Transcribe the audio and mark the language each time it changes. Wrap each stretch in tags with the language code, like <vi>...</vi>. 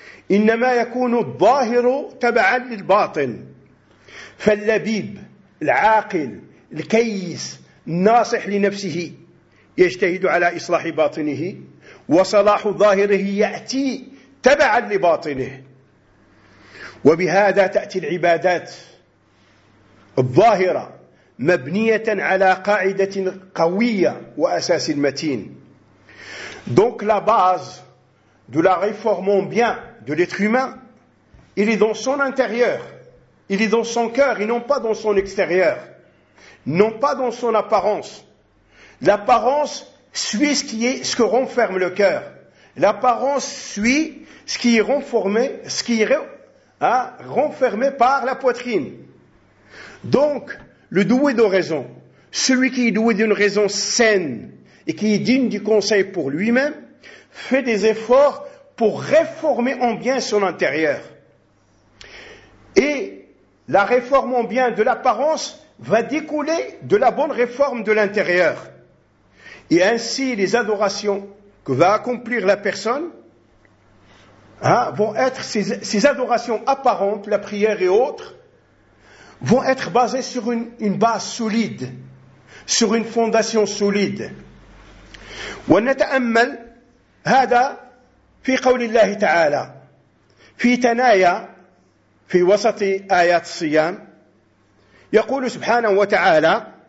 <ar>إنما يكون الظاهر تبعا للباطن فاللبيب العاقل الكيس الناصح لنفسه يجتهد على إصلاح باطنه وصلاح ظاهره يأتي تبعا لباطنه وبهذا تأتي العبادات الظاهرة مبنية على قاعدة قوية وأساس متين.</ar> <fr>Donc la base de la réformant bien de l'être humain, il est dans son intérieur, il est dans son cœur, et non pas dans son extérieur, non pas dans son apparence. L'apparence suit ce que renferme le cœur. L'apparence suit ce qui est renformé, ce qui est renfermé par la poitrine. Donc, le doué de raison, celui qui est doué d'une raison saine et qui est digne du conseil pour lui-même, fait des efforts pour réformer en bien son intérieur. Et la réforme en bien de l'apparence va découler de la bonne réforme de l'intérieur. Et ainsi, les adorations que va accomplir la personne vont être, ces adorations apparentes, la prière et autres, vont être basées sur une base solide, sur une fondation solide.</fr> <ar>ونتأمل هذا في قول الله تعالى في تنايا في وسط آيات الصيام يقول سبحانه وتعالى</ar>